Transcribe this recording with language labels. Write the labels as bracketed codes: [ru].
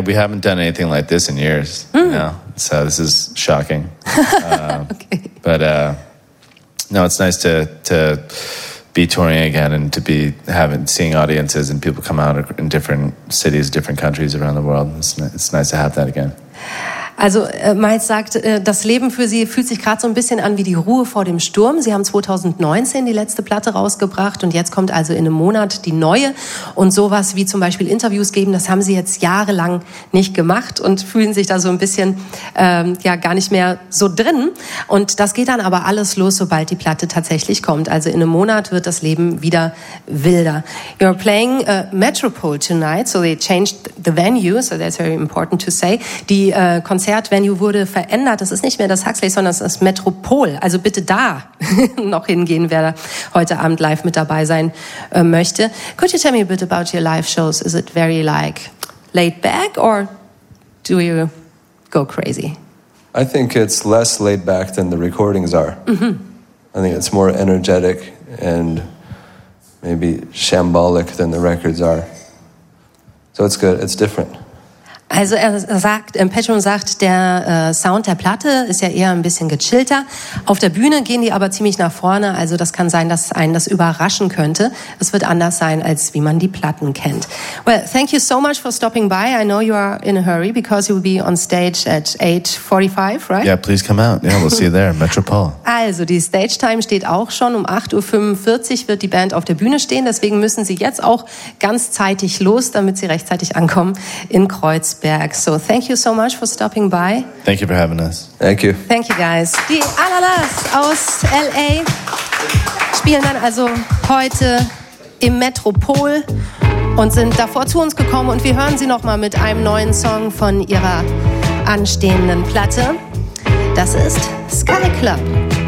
[en] We haven't done anything like this in years, so this is shocking. Okay. But it's nice to be touring again and to be seeing audiences and people come out in different cities, different countries around the world. It's nice to have that again. [de] Also Miles sagt, das Leben für Sie fühlt sich gerade so ein bisschen an wie die Ruhe vor dem Sturm. Sie haben 2019 die letzte Platte rausgebracht und jetzt kommt also in einem Monat die neue. Und sowas wie zum Beispiel Interviews geben, das haben Sie jetzt jahrelang nicht gemacht und fühlen sich da so ein bisschen gar nicht mehr so drin. Und das geht dann aber alles los, sobald die Platte tatsächlich kommt. Also in einem Monat wird das Leben wieder wilder. [en] You're playing Metropole tonight, so they changed the venue, so that's very important to say. [de] Die Konzertvenue wurde verändert. Das ist nicht mehr das Huxley, sondern das ist Metropol. Also bitte da noch hingehen, wer heute Abend live mit dabei sein möchte. [en] Could you tell me a bit about your live shows? Is it very like laid back or do you go crazy? I think it's less laid back than the recordings are. Mm-hmm. I think it's more energetic and maybe shambolic than the records are. So it's good. It's different. [de] Also er sagt, Petro sagt, der Sound der Platte ist ja eher ein bisschen gechillter. Auf der Bühne gehen die aber ziemlich nach vorne, also das kann sein, dass einen das überraschen könnte. Es wird anders sein, als wie man die Platten kennt. [en] Well, thank you so much for stopping by. I know you are in a hurry because you will be on stage at 8:45, right? Yeah, please come out. Yeah, we'll see you there, Metropol. [de] Also die Stage Time steht auch schon. Um 8:45 wird die Band auf der Bühne stehen, deswegen müssen sie jetzt auch ganz zeitig los, damit sie rechtzeitig ankommen in Kreuz. Back. [en] So thank you so much for stopping by. Thank you for having us. Thank you. Thank you guys. [de] Die Alalas aus LA spielen dann also heute im Metropol und sind davor zu uns gekommen und wir hören sie nochmal mit einem neuen Song von ihrer anstehenden Platte. Das ist Sky Club.